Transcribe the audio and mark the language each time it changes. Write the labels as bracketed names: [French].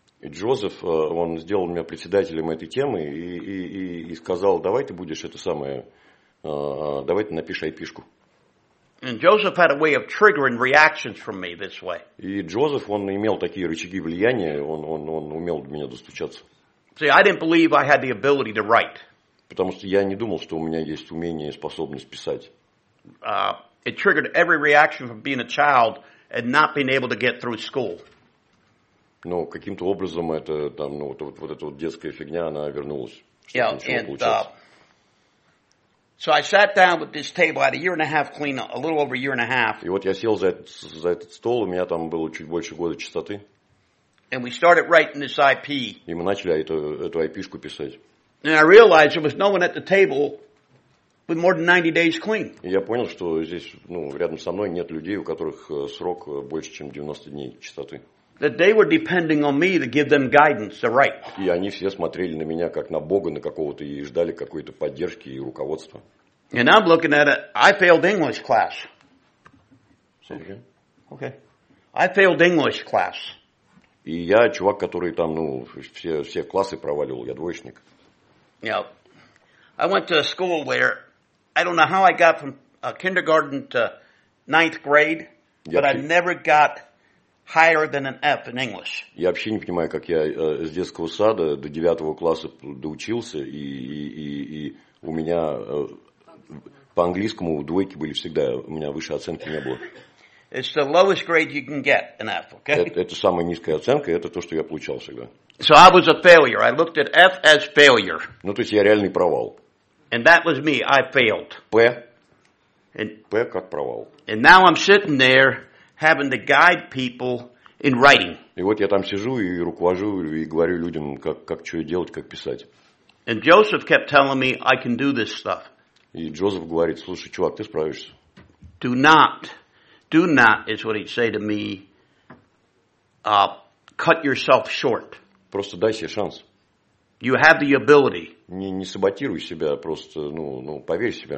[Russian] Джозеф, он сделал меня председателем этой темы и сказал, давай ты будешь это самое, давай ты напиши IP-шку. [English] And Joseph had a way of triggering reactions from me this way. [Russian] И Джозеф, он имел такие рычаги влияния, он умел до меня достучаться. [English] See, I didn't believe I had the ability to write. [Russian] Потому что я не думал, что у меня есть умение и способность писать. [English] It triggered every reaction from being a child and not being able to get through school. [Russian] Ну, каким-то образом это там, ну, вот эта вот детская фигня, она вернулась. [English] Yeah, So I sat down with this table. I had a year and a half clean, a little over a year and a half. [Russian] И вот я сел за этот стол, у меня там было чуть больше года чистоты. [English] And we started writing this IP. [Russian] И мы начали эту IP-шку писать. [English] And I realized there was no one at the table with more than 90 days clean. [Russian] Я понял, что здесь, ну, рядом со мной нет людей, у которых срок больше, чем 90 дней чистоты. [English] That they were depending on me to give them guidance to write. [Russian] И они все смотрели на меня как на Бога, на какого-то, и ждали какой-то поддержки и руководства. [English] And I'm looking at it, I failed English class. Say again. Okay. I failed English class. [Russian] И я чувак, который там, ну, все классы проваливал, я двоечник. [English] Yeah, I went to a school where I don't know how I got from kindergarten to ninth grade, but I never got higher than an F in English. [Russian] Я вообще не понимаю, как я с детского сада до девятого класса доучился, и у меня по английскому двойки были всегда, у меня выше оценки не было. [English] It's the lowest grade you can get, an F, okay? [Russian] Это самая низкая оценка, это то, что я получал всегда. [English] So I was a failure. I looked at F as failure. [Russian] Ну, то есть я реальный провал. [English] And that was me. I failed. [Russian] P. P как провал. [English] And now I'm sitting there having to guide people in writing. [Russian] И вот я там сижу и руковожу, и говорю людям, как что делать, как писать. [English] And Joseph kept telling me, I can do this stuff. [Russian] И Джозеф говорит, слушай, чувак, ты справишься. [English] Do not, is what he'd say to me, cut yourself short. [Russian] Просто дай себе шанс. [English] You have the ability. [Russian] Не саботируй себя, просто, ну, поверь в себя.